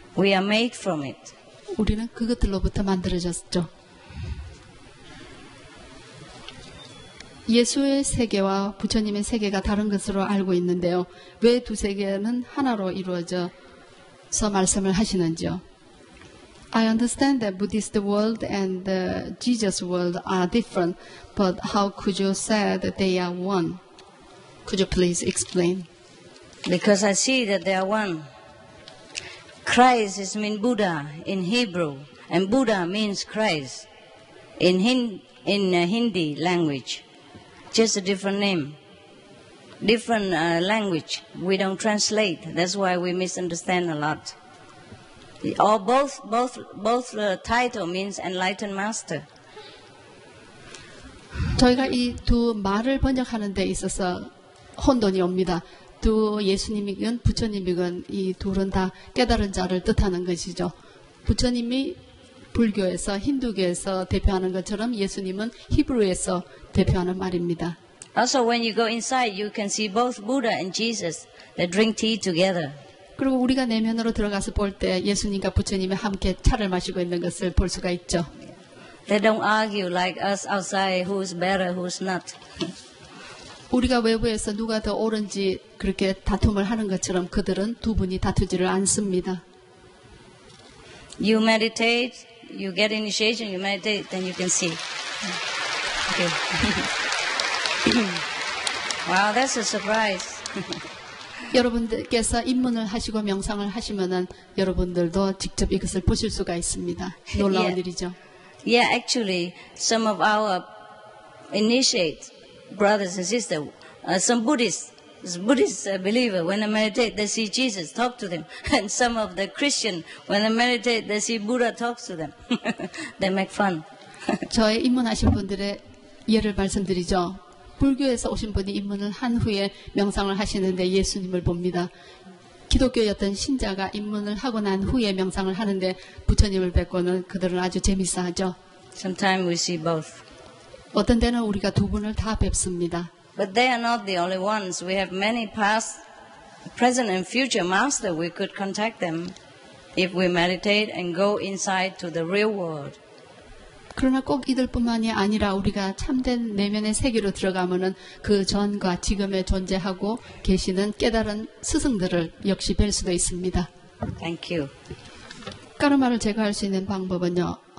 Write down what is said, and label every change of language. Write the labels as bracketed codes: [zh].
[en] We are made from it. [ko] 우리는 그것들로부터 만들어졌죠. 예수의 세계와 부처님의 세계가 다른 것으로 알고 있는데요. 왜 두 세계는 하나로 이루어져서 말씀을 하시는지요? [en] I understand that Buddhist world and the Jesus world are different, but how could you say that they are one? Could you please explain? Because I see that they are one. Christ is mean Buddha in Hebrew, and Buddha means Christ in Hindi language. Just a different name, different language. We don't translate. That's why we misunderstand a lot. Or both the title means enlightened master. [ko] 저희가 이 두 말을 번역하는 데 있어서 혼돈이 옵니다. 두 예수님이건 부처님이건 이 둘은 다 깨달은 자를 뜻하는 것이죠. 부처님이 불교에서 힌두교에서 대표하는 것처럼 예수님은 히브리어에서 대표하는 말입니다. [en] Also when you go inside you can see both Buddha and Jesus that drink tea together. [ko] 그리고 우리가 내면으로 들어가서 볼 때 예수님과 부처님이 함께 차를 마시고 있는 것을 볼 수가 있죠. [en] They don't argue like us outside who's better, who's not. [ko] 우리가 외부에서 누가 더 옳은지 그렇게 다툼을 하는 것처럼 그들은 두 분이 다투지를 않습니다. [en] You meditate, you get initiation, you meditate, then you can see. Okay. Wow, that's a surprise. [ko] 여러분들께서 입문을 하시고 명상을 하시면은 여러분들도 직접 이것을 보실 수가 있습니다. 놀라운 yeah. 일이죠. [en] Yeah, actually, some of our initiate brothers and sisters, some Buddhists, Buddhists believe when they meditate, they see Jesus talk to them. And some of the Christians, when they meditate, they see Buddha talk to them. They make fun. [ko] 저의 입문하신 분들의 예를 말씀드리죠. 불교에서 오신 분이 입문을 한 후에 명상을 하시는데 예수님을 봅니다. 기독교였던 신자가 입문을 하고 난 후에 명상을 하는데 부처님을 뵙고는 그들을 아주 재밌어하죠. [en] Sometimes we see both. [ko] 어떤 때는 우리가 두 분을 다 뵙습니다. [en] But they are not the only ones. We have many past, present, and future masters. We could contact them if we meditate and go inside to the real world. [ko] 그러나 꼭 이들뿐만이 아니라 우리가 참된 내면의 세계로 들어가면은 그 전과 지금에 존재하고 계시는 깨달은 스승들을 역시 뵐 수도 있습니다. [en] Thank you. [ko] 까르마를 제거할 수 있는 방법은요.